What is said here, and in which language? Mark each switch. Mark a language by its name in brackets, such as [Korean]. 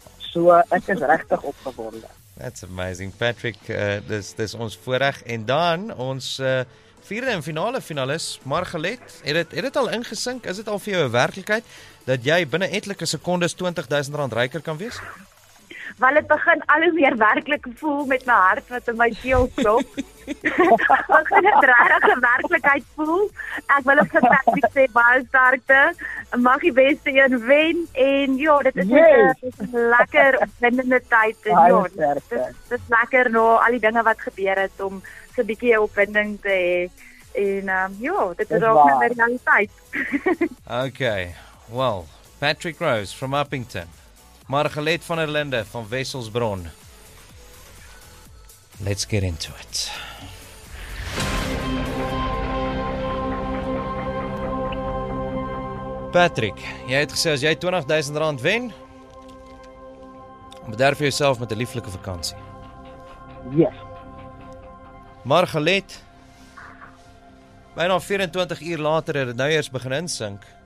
[Afrikaans] So ek is regtig opgewonde. [English] That's amazing, [Afrikaans] Patrick. Dis ons voorreg en dan ons vierde en finale finalis, Margalet. Het dit al ingesink? Is dit al vir jou 'n werklikheid dat jy binne etlike sekondes R20,000 ryker kan wees? Wel, het begin al hoe meer werklik voel met my hart wat in my keel klop. Ek wil dit regtig 'n werklikheid voel. Ek wil ook vir Patrick sê baie sterkte. Mag die beste een wen en ja, dit is 'n lekker opwindende tyd en ja. Dit is lekker na nou, al die dinge wat gebeur het om so 'n bietjie opwinding te hê en ja, dit is ook 'n realiteit. [English] Okay. Well, Patrick Rose from Upington. [Afrikaans] Margalet van der Linde van Wesselsbron. [English] Let's get into it. [Afrikaans] Patrick, jy het gesê as jy R20,000 wen, bederf jy jouself met 'n lieflike vakansie. [English] Yes. [Afrikaans] Margalet, byna 24 uur later het dit nou eers begin insink.